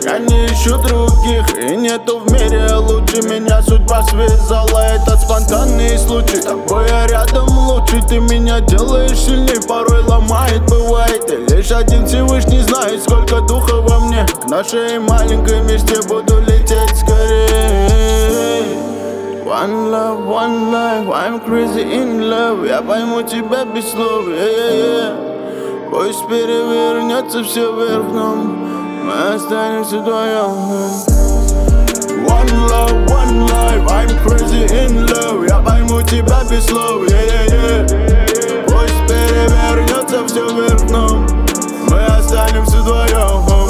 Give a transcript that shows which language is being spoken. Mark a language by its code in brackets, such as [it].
[ru] Я не ищу других, и нету в мире лучше. Меня судьба связала, это спонтанный случай. Тобой я рядом лучше, ты меня делаешь сильней. Порой ломает, бывает, и лишь один Всевышний знает, сколько духа во мне. К нашей маленькой мечте буду лететь скорее. [en] One love, one life, I'm crazy in love. [ru] Я пойму тебя без слов, yeah. Пусть перевернется все вверх дном, мы останемся вдвоем. [en] One love, one life, I'm crazy in love. [ru] Я пойму тебя без слов, [en] yeah. [ru] Пусть перевернется все вверх дном, мы останемся вдвоем.